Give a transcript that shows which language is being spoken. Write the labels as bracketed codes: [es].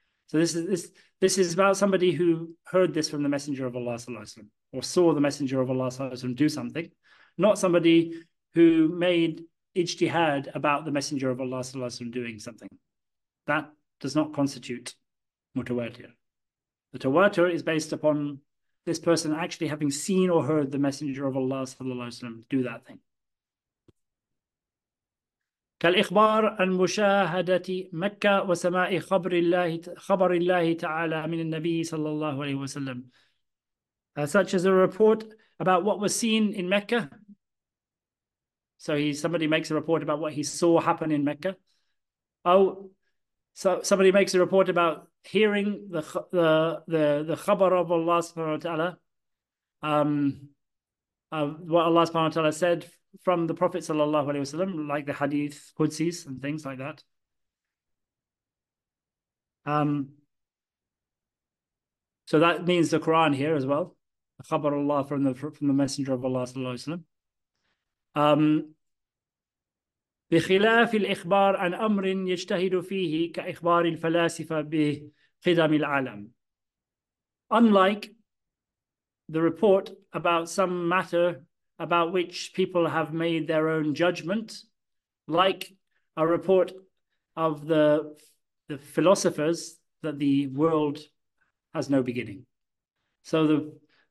[en] So this is about somebody who heard this from the Messenger of Allah sallallahu alaihi wasallam, or saw the Messenger of Allah sallallahu alaihi wasallam do something, not somebody who made ijtihad about the Messenger of Allah sallallahu alaihi wasallam doing something. That does not constitute mutawatir. The tawatir is based upon this person actually having seen or heard the Messenger of Allah sallallahu alaihi wasallam do that thing. [ar] كالإخبار عن مشاهدة مكة وسماع خبر الله تعالى من النبي صلى الله عليه وسلم. [en] Such as a report about what was seen in Mecca. So somebody makes a report about what he saw happen in Mecca. Oh, so somebody makes a report about hearing the khabar of Allah subhanahu wa ta'ala, what Allah subhanahu wa ta'ala said from the Prophet sallallahu alaihi wasallam, like the hadith Qudsis and things like that. So that means the Quran here as well, the khabar Allah from the Messenger of Allah sallallahu alaihi wasallam. [ar] بخلاف الإخبار عن أمر يجتهد فيه كإخبار الفلاسفة بقدم العالم. [en] Unlike the report about some matter about which people have made their own judgment, like a report of the philosophers that the world has no beginning. So the